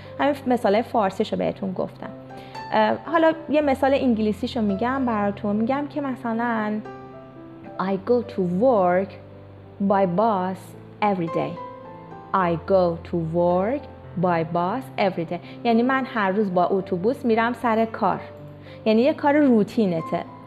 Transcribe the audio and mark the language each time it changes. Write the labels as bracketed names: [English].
[Persian] همین مثال فارسیش رو بهتون گفتم. حالا یه مثال انگلیسیش رو میگم براتون. میگم که مثلا [English] I go to work by bus every day. I go to work by bus every day. [Persian] یعنی من هر روز با اتوبوس میرم سر کار. یعنی یه کار روتینته.